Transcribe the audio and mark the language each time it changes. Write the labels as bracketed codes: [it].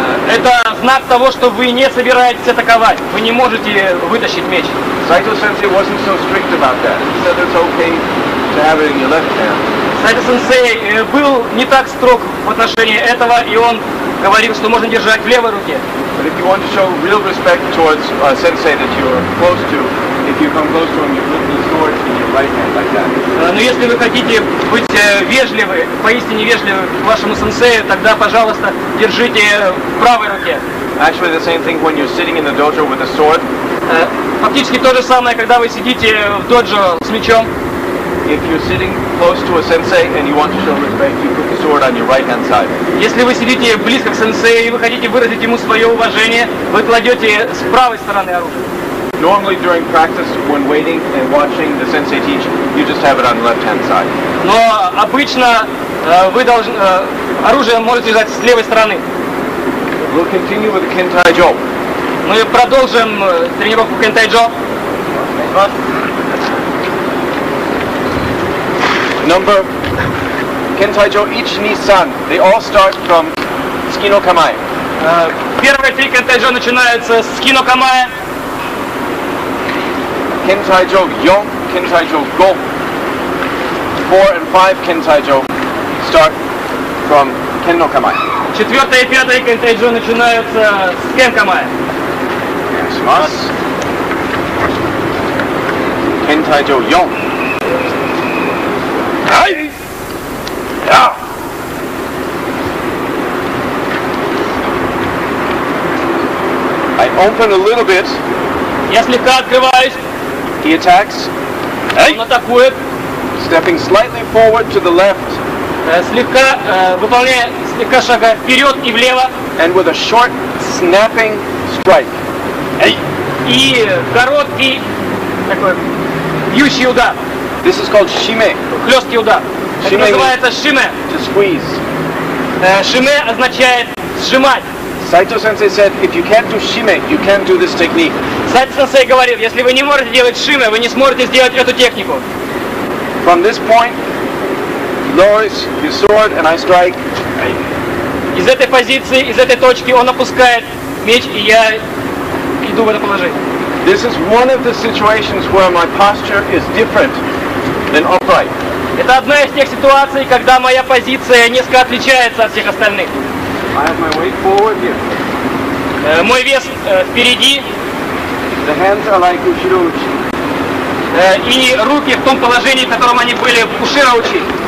[ru] Это знак того, что вы не собираетесь атаковать. Вы не можете вытащить меч. [en] Сайто-сенсей wasn't so strict about that. He said it's okay to have it in your left hand. [ru] Сайто-сенсей был не так строг в отношении этого, и он говорил, что можно держать в левой руке. [en] But if you want to show real respect towards a sensei that you're close to, if you come close to him, you put the sword in your right hand like that. [ru] Но если вы хотите быть вежливы, поистине вежливы к вашему сенсею, тогда, пожалуйста, держите в правой руке. [en] Actually, the same thing when you're sitting in the dojo with a sword. [ru] Фактически то же самое, когда вы сидите в доджо с мечом. [en] If you're sitting close to a sensei and you want to show respect, you put the sword on your right hand side. [ru] Если вы сидите близко к сенсею и вы хотите выразить ему свое уважение, вы кладете с правой стороны оружие. [en] Normally during practice, when waiting and watching the sensei teach, you just have it on the left hand side. [ru] Но обычно вы должны оружие можете держать с левой стороны. [en] We'll continue with Kentai Jo. [ru] Мы продолжим тренировку Kentai Jo. [en] Number Kentai Jo Ich Ni San. They all start from Skino Kamae. [ru] Первые три Kentai Jo начинаются с Skino Kamae. [en] Kentai Jo Yon, Kentai Jo Go. 4 and 5 Kentai Jo start from Ken no Kamae. [ru] Четвертое и пятое Kentai Jo начинаются с Ken Kamae. [ja] Kentai Jo Yon. [en] I open a little bit. [ru] Я слегка открываюсь. [en] He attacks. [ru] Он атакует. [en] Stepping slightly forward to the left. [ru] Слегка выполняя слегка шага вперед и влево. [en] And with a short snapping strike. [ru] И короткий такой бьющий удар. [en] This is called shime. [ru] Хлесткий удар. Shime называется shime. [en] To squeeze. [ru] Shime означает сжимать. [en] Saito-sensei said, if you can't do shime, you can't do this technique. [ru] Saito-sensei говорит, если вы не можете делать shime, вы не сможете сделать эту технику. [en] From this point, lowers his sword and I strike. [ru] Из этой позиции, из этой точки он опускает меч, и я иду в это положение. [en] This is one of the situations where my posture is different than upright. [ru] Это одна из тех ситуаций, когда моя позиция несколько отличается от всех остальных. [en] I have my weight forward here. [ru] Мой вес впереди. [en] The hands are like ushiro-uchi. [ru] И руки в том положении, в котором они были в ushiro-uchi.